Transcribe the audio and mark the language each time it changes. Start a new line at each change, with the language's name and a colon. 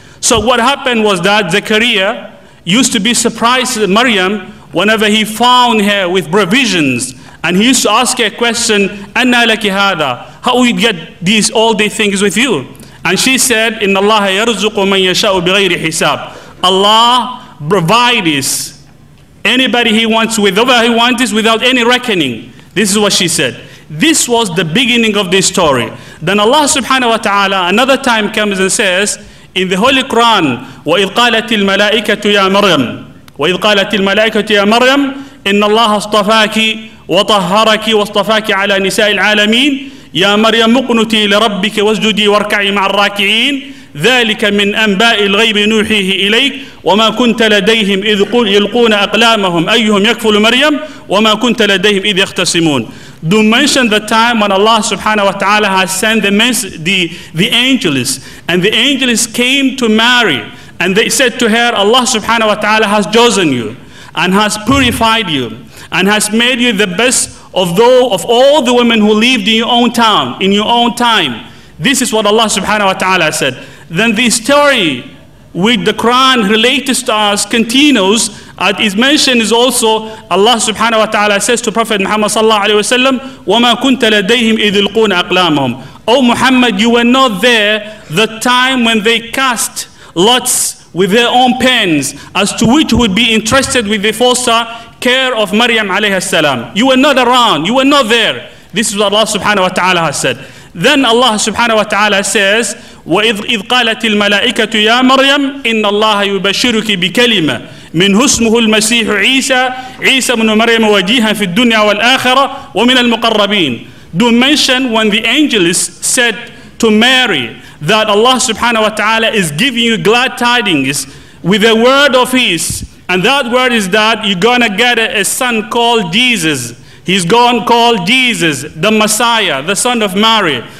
English: So what happened was that Zakaria used to be surprised at Maryam whenever he found her with provisions, and he used to ask her a question,
Arabic: Anna laki hada,
English: how we get these all these things with you?
Arabic: And she said, Inna Allah yarzuqu man yasha'u bighayri hisab.
English: Allah provides anybody he wants, whatever he wants, without any reckoning. This is what she said. This was the beginning of this story. Then Allah subhanahu wa ta'ala another time comes and says in the Holy Quran,
Arabic: وَإِذْ قَالَتِ الْمَلَائِكَةُ يَا مَرْيَمُ وَإِذْ قَالَتِ الْمَلَائِكَةُ يَا مَرْيَمُ إِنَّ اللَّهَ اصْطَفَاكِ وَطَهَّرَكِ وَاصْطَفَاكِ عَلَى نِسَاءِ الْعَالَمِينَ يَا مَرْيَمُ اقْنُتِي لِرَبِّكِ وَاسْجُدِي وَارْكَعِي مَعَ الرَّاكِعِينَ ذلك من أنباء الغيب نوحيه إليك وما كنت لديهم إذ يلقون أقلامهم أيهم يكفل مريم وما كنت لديهم إذ يختصمون.
English: Do mention the time when Allah subhanahu wa ta'ala has sent the angels, and the angels came to Mary and they said to her, Allah subhanahu wa ta'ala has chosen you and has purified you and has made you the best of all the women who lived in your own town, in your own time. This is what Allah subhanahu wa ta'ala said. Then the story with the Quran related to us continues. As is mentioned, is also Allah subhanahu wa ta'ala says to Prophet Muhammad sallallahu alayhi wa sallam,
Arabic: وَمَا كُنْتَ لَدَيْهِمْ إِذْ يُلْقُونَ أَقْلَامُهُمْ.
English: O Muhammad, you were not there the time when they cast lots with their own pens as to which would be entrusted with the foster care of Maryam alayhi salam. You were not around, you were not there. This is what Allah subhanahu wa ta'ala has said. Then Allah subhanahu wa ta'ala says,
Arabic: وَإِذْ قَالَتِ الْمَلَائِكَةُ يَا مَرْيَمُ إِنَّ اللَّهَ يُبَشِّرُكِ بِكَلِمَةٍ مِنْ هُسْمُهُ الْمَسِيحُ عِيسَى عِيسَى بْنُ مَرْيَمَ وَجِيهًا فِي الدُّنْيَا وَالْآخِرَةِ وَمِنَ الْمُقَرَّبِينَ.
English: Do mention when the angels said to Mary that Allah subhanahu wa ta'ala is giving you glad tidings with a word of his, and that word is that you're gonna get a son called Jesus. He's gone called Jesus, the Messiah, the son of Mary.